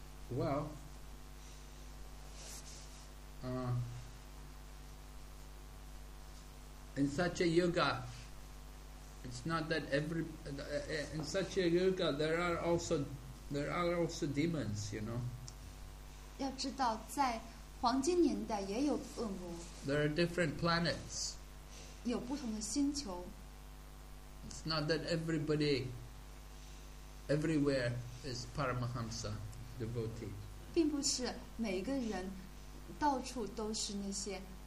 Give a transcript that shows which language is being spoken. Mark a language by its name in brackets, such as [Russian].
[English] Well, in such a yoga, it's not that every in such a yoga there are also demons, you know. [Chinese] 要知道, 在黄金年代也有恶魔, [English] there are different planets. [Chinese] 有不同的星球, [English] it's not that everybody everywhere is Paramahamsa devotee. [Chinese] 并不是每个人到处都是那些,